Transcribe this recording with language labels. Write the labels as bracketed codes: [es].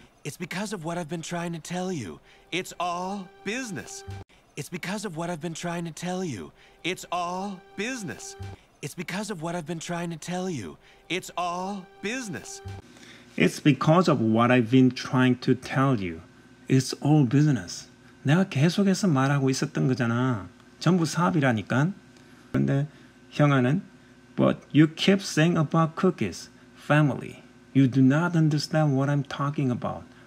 [en] It's because of what I've been trying to tell you. It's all business. It's because of what I've been trying to tell you. It's all business. It's because of what I've been trying to tell you. It's all business. It's because of what I've been trying to tell you. It's all business. [ko] 내가 계속해서 말하고 있었던 거잖아. 전부 사업이라니까. 근데 형아는 [en] But you keep saying about cookies, family. You do not understand what I'm talking about.